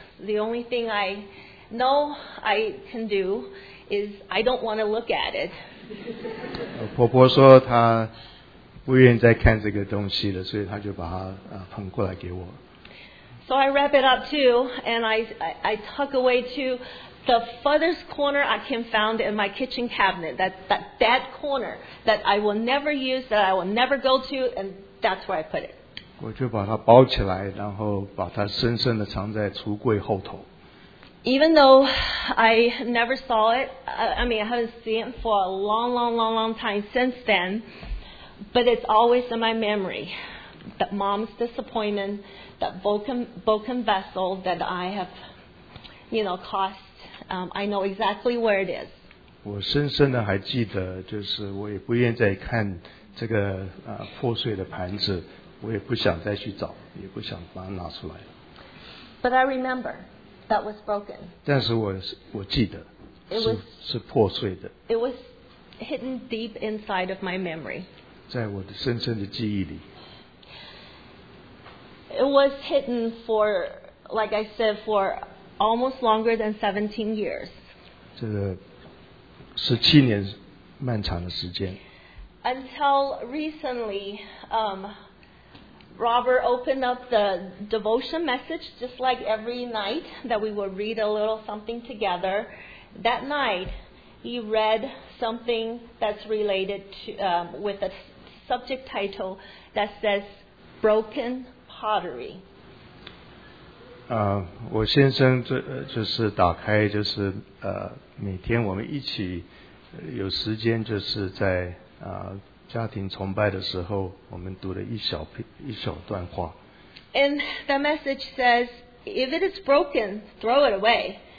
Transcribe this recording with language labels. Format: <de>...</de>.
<en>The only thing I can do is I don't want to look at it.</en> <zh>婆婆说她不愿意再看这个东西了，所以她就把它捧过来给我。</zh> <en>So I wrap it up too, and I tuck away to the furthest corner I can find in my kitchen cabinet, that corner that I will never use, that I will never go to, and that's where I put it.</en> <zh>我就把它包起来，然后把它深深地藏在橱柜后头。</zh> <en>Even though I never saw it, I mean, I haven't seen it for a long, long, long, long time since then, but it's always in my memory, that mom's disappointment, that broken vessel that I have, you know, caused, I know exactly where it is.</en> <zh>我深深地还记得，就是我也不愿意再看这个破碎的盘子，我也不想再去找，也不想把它拿出来。</zh> <en>But I remember. That was broken.</en> <zh>但是我记得 是破碎的。</zh> <en>It was hidden deep inside of my memory.</en> <zh>在我的深深的记忆里。</zh> <en>It was hidden for, like I said, for almost longer than 17 years.</en> <zh>这个17年漫长的时间。</zh> <en>Until recently, Robert opened up the devotion message just like every night that we would read a little something together. That night, he read something that's related to, with a subject title that says Broken Pottery.</en> <zh>我先生就是打开就是每天我们一起有时间就是在家庭崇拜的时候，我们读了一小段话。</zh> <en>And the message says, if it is broken, throw it away.</en>